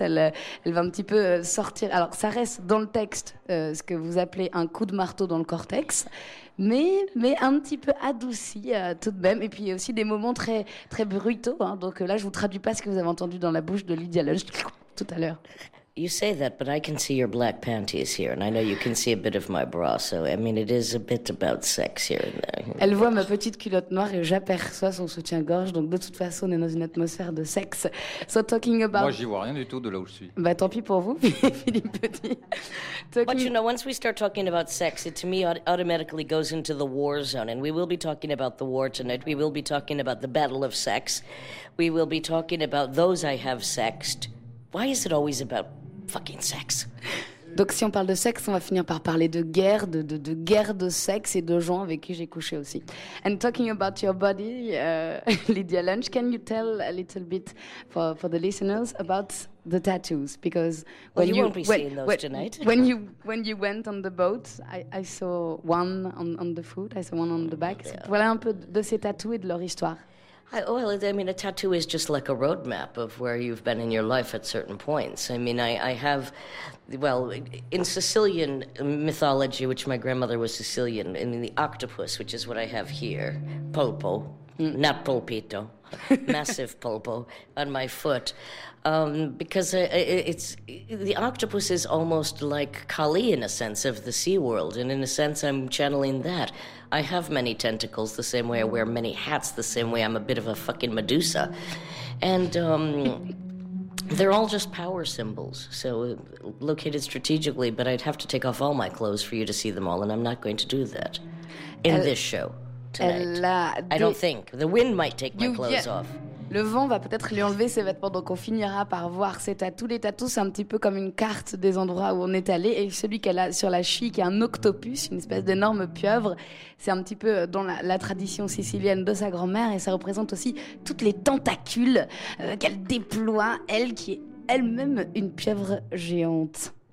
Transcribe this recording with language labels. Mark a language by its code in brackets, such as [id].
[fr] Elle va un petit peu sortir. Alors, ça reste dans le texte, ce que vous appelez un coup de marteau dans le cortex. Mais un petit peu adouci tout de même. Et puis il y a aussi des moments très, très brutaux. Hein. Donc là, je ne vous traduis pas ce que vous avez entendu dans la bouche de Lydia Lunch tout à l'heure. [en] You say that, but I can see your black panties here. And I know you can see a bit of my bra. So, I mean, it is a bit about sex here and there. [fr] Elle voit ma petite culotte noire et j'aperçois son soutien-gorge. Donc de toute façon, on est dans une atmosphère de sexe. [en] So talking about... [fr] Moi, j'y vois rien du tout de là où je suis. Bah tant pis pour vous, Philippe Petit. [en] But you know, once we start talking about sex, it to me automatically goes into the war zone. And we will be talking about the war tonight. We will be talking about the battle of sex. We will be talking about those I have sexed. Why is it always about fucking sex? [fr] Donc si on parle de sexe, on va finir par parler de guerre, de guerre de sexe et de gens avec qui j'ai couché aussi. [en] And talking about your body, Lydia Lunch, can you tell a little bit for the listeners about the tattoos? Because when you went on the boat, I saw one on the foot, I saw one on the back. Yeah. [fr] Voilà un peu de ces tattoos et de leur histoire. [en] I mean, a tattoo is just like a roadmap of where you've been in your life at certain points. I mean, I have, in Sicilian mythology, which my grandmother was Sicilian, I mean, the octopus, which is what I have here, polpo, not polpito, massive polpo on my foot. Because the octopus is almost like Kali in a sense of the sea world, and in a sense I'm channeling that. I have many tentacles the same way I wear many hats, the same way I'm a bit of a fucking Medusa. And they're all just power symbols, so located strategically, but I'd have to take off all my clothes for you to see them all, and I'm not going to do that in this show tonight. I don't think. The wind might take my clothes off. [fr] Le vent va peut-être lui enlever ses vêtements, donc on finira par voir ses tatous. Les tatous, c'est un petit peu comme une carte des endroits où on est allé. Et celui qu'elle a sur la cheville, qui est un octopus, une espèce d'énorme pieuvre, c'est un petit peu dans la tradition sicilienne de sa grand-mère. Et ça représente aussi toutes les tentacules qu'elle déploie, elle qui est elle-même une pieuvre géante.